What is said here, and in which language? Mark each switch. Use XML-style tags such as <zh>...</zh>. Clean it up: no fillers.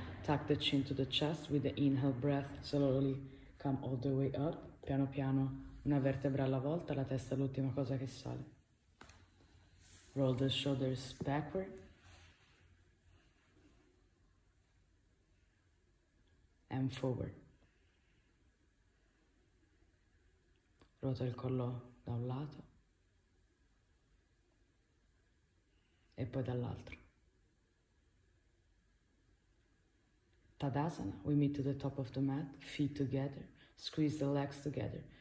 <en>Tuck the chin to the chest with the inhale breath. Slowly come all the way up.</en> <it>Piano piano, una vertebra alla volta, la testa è l'ultima cosa che sale.</it> <en>Roll the shoulders backward. And forward.</en> <it>Ruota il collo da un lato e poi dall'altro.</it> <en>Tadasana, we meet to the top of the mat, feet together, squeeze the legs together.</en>